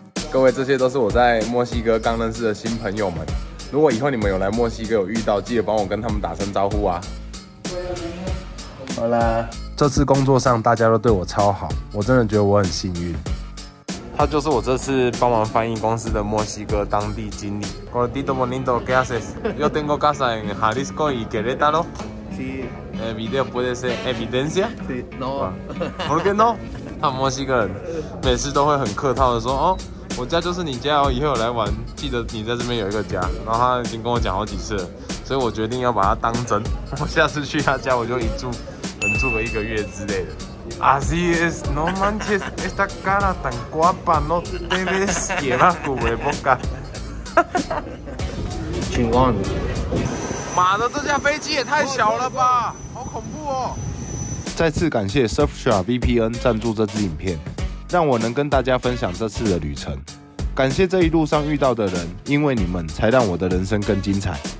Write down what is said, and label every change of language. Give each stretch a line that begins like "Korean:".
Chinese: 各位，这些都是我在墨西哥刚认识的新朋友们。如果以后你们有来墨西哥有遇到，记得帮我跟他们打声招呼啊。好啦。这次工作上大家都对我超好，我真的觉得我很幸运。他就是我这次帮忙翻译公司的墨西哥当地经理。
Spanish: Gordito bonito, ¿qué haces? Yo tengo casa en Jalisco y Querétaro. Sí. El video puede ser evidencia? Sí, no. ¿Por qué no?
Chinese: 他墨西哥人每次都会很客套的说，哦，我家就是你家哦，以后有来玩，记得你在这边有一个家。然后他已经跟我讲好几次了，所以我决定要把他当真。我下次去他家，我就一住。住个一个月之类的，
Spanish: Así es, no manches, esta cara tan guapa, no debes llevar cubreboca. Chingón.
Chinese: 妈的，这架飞机也太小了吧，好恐怖哦！再次感谢 Surfshark VPN 赞助这支影片，让我能跟大家分享这次的旅程。感谢这一路上遇到的人，因为你们才让我的人生更精彩。